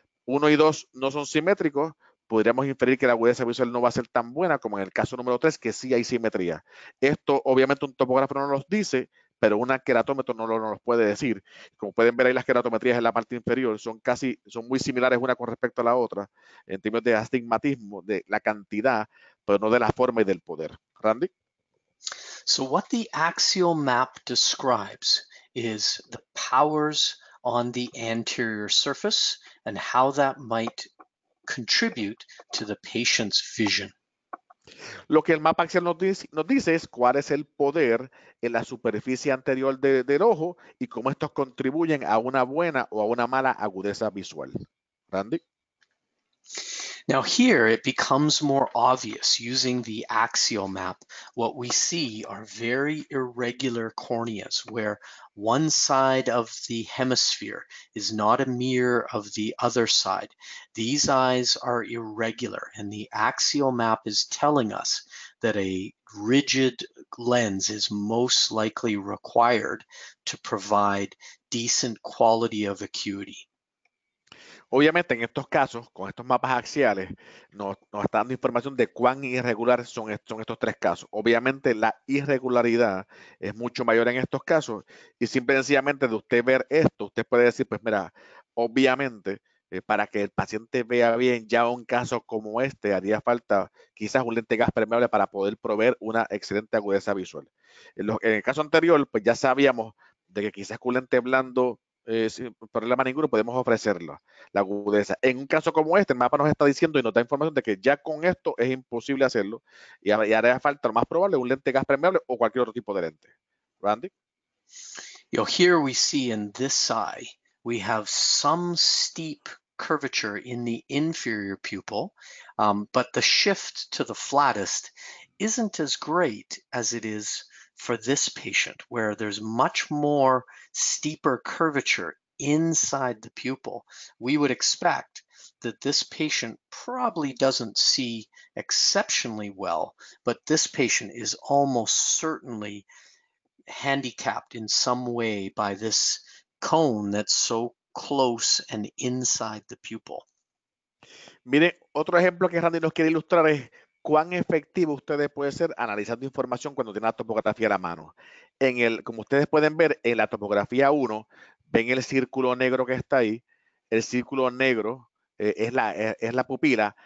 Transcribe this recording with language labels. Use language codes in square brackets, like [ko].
[es] Uno y dos no son simétricos, podríamos inferir que la agudeza visual no va a ser tan buena como en el caso número tres, que sí hay simetría. Esto, obviamente, un topógrafo no nos dice, pero un queratómetro no nos puede decir. Como pueden ver ahí, las queratometrías en la parte inferior son muy similares una con respecto a la otra, en términos de astigmatismo, de la cantidad, pero no de la forma y del poder. Randy. [en] So what the axial map describes is the powers on the anterior surface and how that might contribute to the patient's vision. [es] Lo que el mapa axial nos dice es cuál es el poder en la superficie anterior del ojo y cómo estos contribuyen a una buena o a una mala agudeza visual. Randy. [en] Now here it becomes more obvious using the axial map. What we see are very irregular corneas where one side of the hemisphere is not a mirror of the other side. These eyes are irregular and the axial map is telling us that a rigid lens is most likely required to provide decent quality of acuity. [es] Obviamente, en estos casos, con estos mapas axiales, nos está dando información de cuán irregular son estos tres casos. Obviamente, la irregularidad es mucho mayor en estos casos. Y simple y sencillamente, de usted ver esto, usted puede decir, pues mira, obviamente, para que el paciente vea bien, ya un caso como este, haría falta quizás un lente gas permeable para poder proveer una excelente agudeza visual. En el caso anterior, pues ya sabíamos de que quizás con un lente blando Sin problema ninguno, podemos ofrecerlo, la agudeza. En un caso como este, el mapa nos está diciendo y nos da información de que ya con esto es imposible hacerlo y haría falta lo más probable un lente gas permeable o cualquier otro tipo de lente. Randy. [en] You know, here we see in this eye, we have some steep curvature in the inferior pupil, but the shift to the flattest isn't as great as it is for this patient, where there's much more steeper curvature inside the pupil. We would expect that this patient probably doesn't see exceptionally well, but this patient is almost certainly handicapped in some way by this cone that's so close and inside the pupil. [es] Mire, otro ejemplo que Randy nos quiere ilustrar es cuán efectivo ustedes pueden ser analizando información cuando tienen la topografía a la mano. En el, como ustedes pueden ver, en la topografía 1, ven el círculo negro que está ahí. El círculo negro es la pupila.